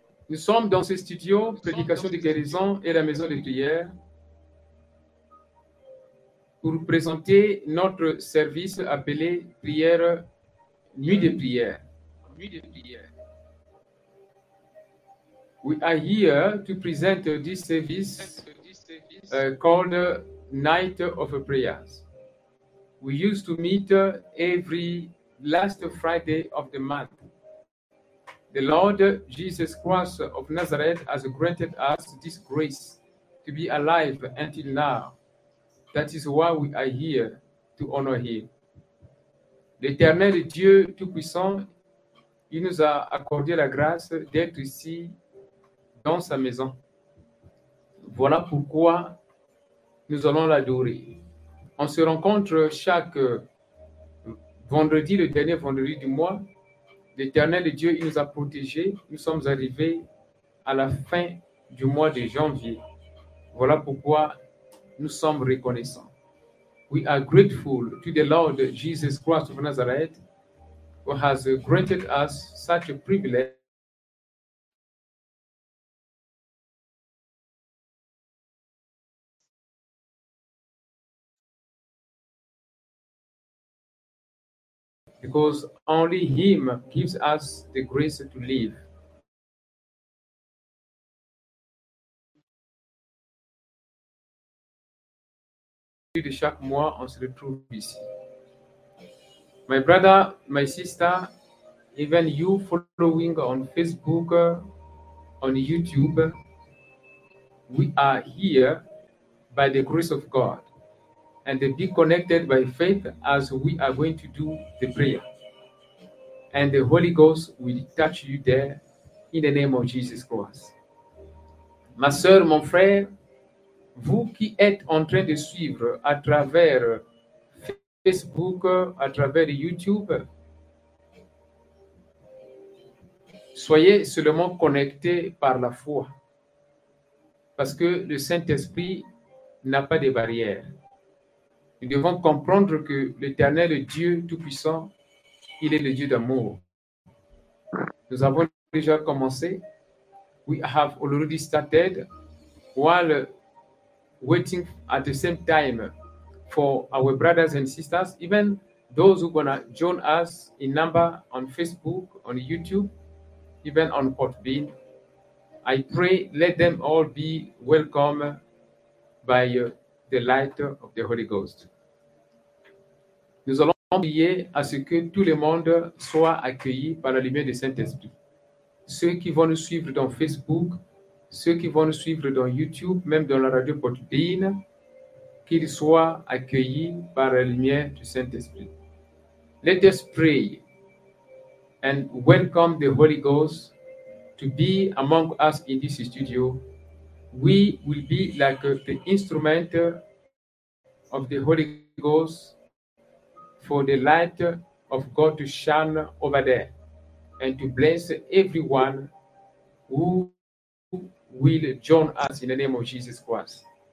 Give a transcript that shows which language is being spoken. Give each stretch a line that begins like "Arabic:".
French: Nous sommes dans ce studio, Prédication de guérison et la maison de prière, pour présenter notre service appelé Prière, Nuit de prière.
English: We are here to present this service called Night of Prayers. We used to meet every last Friday of the month. The Lord Jesus Christ of Nazareth has granted us this grace to be alive until now. That is why we are here to honor Him.
French: L'Éternel Dieu Tout-Puissant, il nous a accordé la grâce d'être ici dans sa maison. Voilà pourquoi nous allons l'adorer. On se rencontre chaque vendredi, le dernier vendredi du mois. L'Éternel Dieu, il nous a protégés. Nous sommes arrivés à la fin du mois de janvier. Voilà pourquoi nous sommes reconnaissants.
English: We are grateful to the Lord Jesus Christ of Nazareth who has granted us such a privilege. Because only Him gives us the grace to live.
French: De chaque mois, on se retrouve ici.
English: My brother, my sister, even you following on Facebook, on YouTube, we are here by the grace of God. And be connected by faith as we are going to do the prayer. And the Holy Ghost will touch you there in the name of Jesus Christ.
French: Ma soeur, mon frère, vous qui êtes en train de suivre à travers Facebook, à travers YouTube, soyez seulement connectés par la foi. Parce que le Saint-Esprit n'a pas de barrière. Nous devons comprendre que l'Éternel Dieu Tout-Puissant, il est le Dieu d'amour. Nous avons déjà commencé.
English: We have already started while waiting at the same time for our brothers and sisters, even those who are going to join us in number on Facebook, on YouTube, even on Podbean. I pray let them all be welcomed by the light of the Holy Ghost.
French: Nous allons prier à ce que tout le monde soit accueilli par la lumière du Saint-Esprit. Ceux qui vont nous suivre dans Facebook, ceux qui vont nous suivre dans YouTube, même dans la radio portugaise, qu'ils soient accueillis par la lumière du Saint-Esprit.
English: Let us pray and welcome the Holy Ghost to be among us in this studio. We will be like the instrument of the Holy Ghost for the light of God to shine over there and to bless everyone who will join us in the name of Jesus Christ.